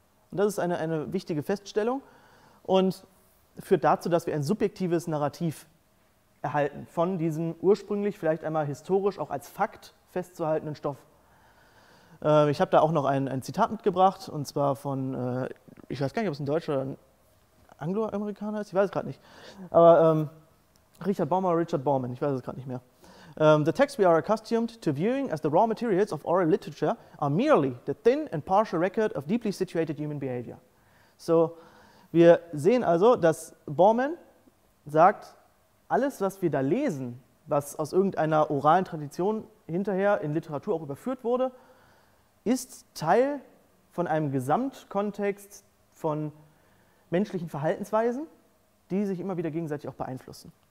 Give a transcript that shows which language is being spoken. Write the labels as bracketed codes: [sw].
[de] Und das ist eine wichtige Feststellung und führt dazu, dass wir ein subjektives Narrativ erhalten von diesem ursprünglich vielleicht einmal historisch auch als Fakt festzuhaltenden Stoff. Ich habe da auch noch ein Zitat mitgebracht, und zwar von, ich weiß gar nicht, ob es ein Deutscher oder ein Angloamerikaner ist, ich weiß es gerade nicht, aber Richard Bauman, ich weiß es gerade nicht mehr. [en] The texts we are accustomed to viewing as the raw materials of oral literature are merely the thin and partial record of deeply situated human behavior. [de] So, wir sehen also, dass Bauman sagt, alles, was wir da lesen, was aus irgendeiner oralen Tradition hinterher in Literatur auch überführt wurde, ist Teil von einem Gesamtkontext von menschlichen Verhaltensweisen, die sich immer wieder gegenseitig auch beeinflussen.